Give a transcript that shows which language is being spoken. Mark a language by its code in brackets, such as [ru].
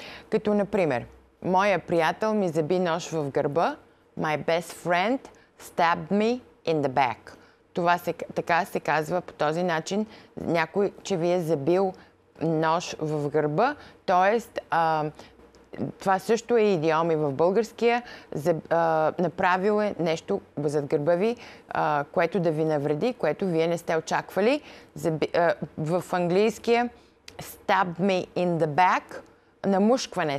[bg] Като, например, моя приятел ми заби нож в гърба. [en] My best friend stabbed me in the back. [bg] Това така се казва по този начин. Някой, че ви е забил нож в гърба. Тоест, това също е идиоми в българския. Направил е нещо зад гърба ви, което да ви навреди, което вие не сте очаквали. В английския [en] stabbed me in the back [bg] Намушкване.